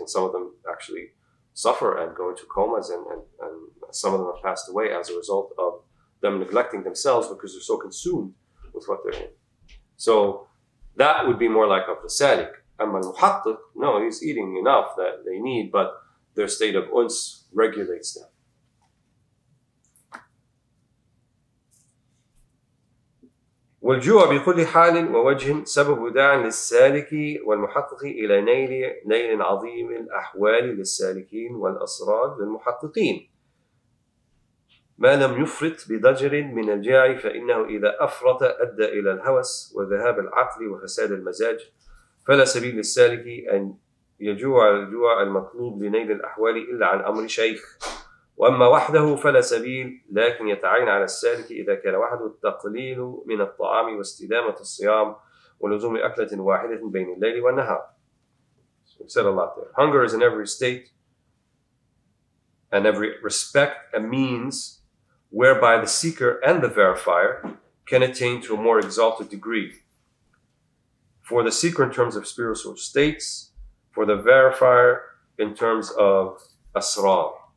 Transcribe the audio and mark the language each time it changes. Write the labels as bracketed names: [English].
[English] And some of them actually suffer and go into comas and some of them have passed away as a result of them neglecting themselves because they're so consumed with what they're in. So that would be more like of the sadiq. [Arabic] أما المحقق [English] no, he's eating enough that they need, but their state of أنس regulates them. [Arabic] والجوع بكل حال ووجه سبب داع للسالك والمحقق إلى نيل عظيم الأحوال للسالكين والأسرار للمحققين. ما لم يفرط بضجر من الجاع فإنه إذا أفرط أدى إلى الهوس وذهاب العقل وفساد المزاج، فلا سبيل للسالك أن يجوع الجوع المطلوب لنيل الأحوال إلا عن أمر شيخ، وأما وحده فلا سبيل، لكن يتعين على السالك إذا كان وحده التقليل من الطعام واستدامة الصيام ولزوم أكلة واحدة بين الليل والنهار. [English] Hunger is in every state and every respect a means whereby the seeker and the verifier can attain to a more exalted degree. For the seeker in terms of spiritual states, for the verifier in terms of asrar.